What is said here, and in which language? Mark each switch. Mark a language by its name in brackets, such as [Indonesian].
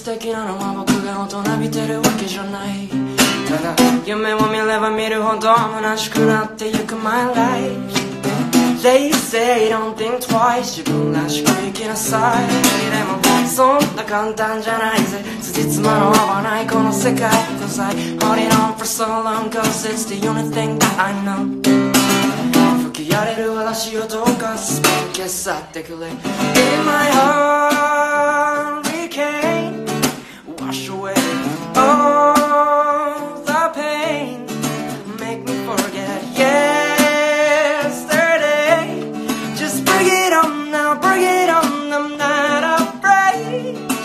[Japanese] なのは僕が大人びてるわけじゃない。ただ夢を見れば見るほど虚しくなってゆく [English] My life. They say don't think twice, [Japanese] 自分らしく生きなさい。でもそんな簡単じゃないぜ、辻褄の合わないこの世界。 [English] Cause I holding on for so long, cause it's the only thing that I know. [Japanese] 吹き荒れる嵐をどうか消さってくれ。 [English] In my hurricaneWash away all the pain, make me forget yesterday. Just bring it on now, bring it on, I'm not afraid.